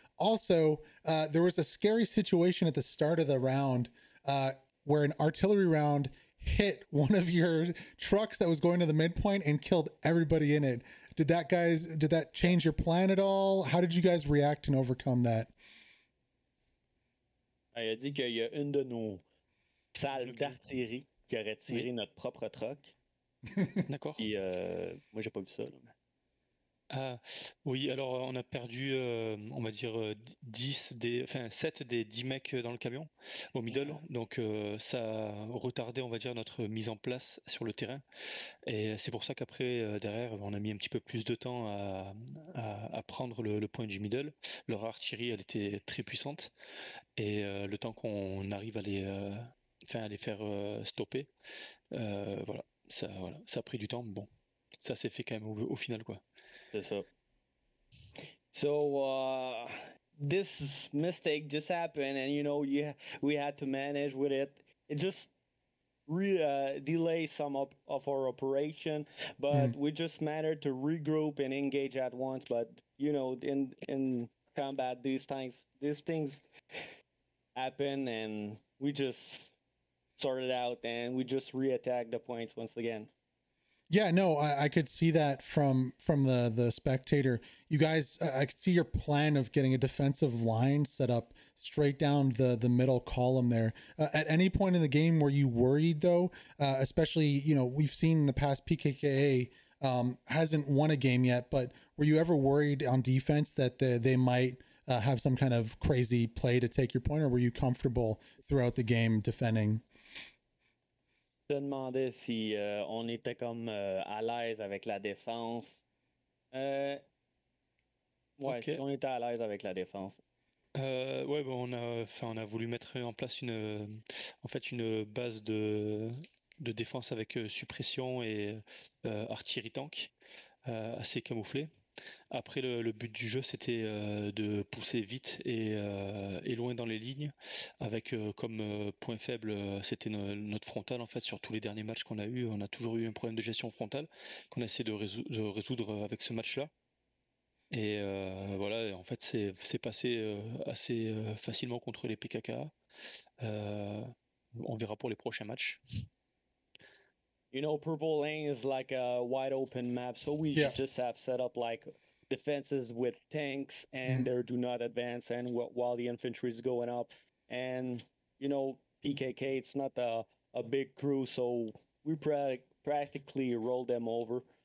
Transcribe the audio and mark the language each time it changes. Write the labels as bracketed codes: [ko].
[en] Also, there was a scary situation at the start of the round where an artillery round hit one of your trucks that was going to the midpoint and killed everybody in it. Did that change your plan at all? How did you guys react and overcome that? [fr] Il a dit qu'il y a une de nos salves d'artillerie qui aurait tiré oui. Notre propre truck. D'accord. Et moi, j'ai pas vu ça. Oui, alors on a perdu, on va dire, 7 des 10 mecs dans le camion au middle. Donc ça a retardé, on va dire, notre mise en place sur le terrain. Et c'est pour ça qu'après, derrière, on a mis un petit peu plus de temps à prendre le point du middle. Leur artillerie, elle était très puissante. Et le temps qu'on arrive à les faire stopper, voilà, ça a pris du temps, mais bon, ça s'est fait quand même au final, quoi. C'est ça. [en] So, this mistake just happened, and you know, we had to manage with it. It just delay some of our operation, but we just managed to regroup and engage at once. But you know, in combat, these things happen, and we just sorted out and we just reattacked the points once again. Yeah, no, I could see that from the spectator. You guys, I could see your plan of getting a defensive line set up straight down the middle column there. At any point in the game, were you worried though? Especially, you know, we've seen in the past PKKA hasn't won a game yet, but were you ever worried on defense that they might have some kind of crazy play to take your point, or were you comfortable throughout the game defending? [fr] Je me demandais si on était comme à l'aise avec la défense. Ouais, Ok. si on était à l'aise avec la défense. Ouais, bon, on a voulu mettre en place une base de défense avec suppression et artillerie tank assez camouflée. Après, le but du jeu, c'était de pousser vite et loin dans les lignes, avec comme point faible, c'était notre frontal. En fait, sur tous les derniers matchs qu'on a eu, on a toujours eu un problème de gestion frontale qu'on a essayé de résoudre avec ce match-là. Et voilà, en fait, c'est passé assez facilement contre les PKKA. On verra pour les prochains matchs. [en] You know, purple lane is like a wide open map, so we just have set up like defenses with tanks, and they do not advance. And while the infantry is going up, and you know, PKK, it's not a big crew, so we practically roll them over.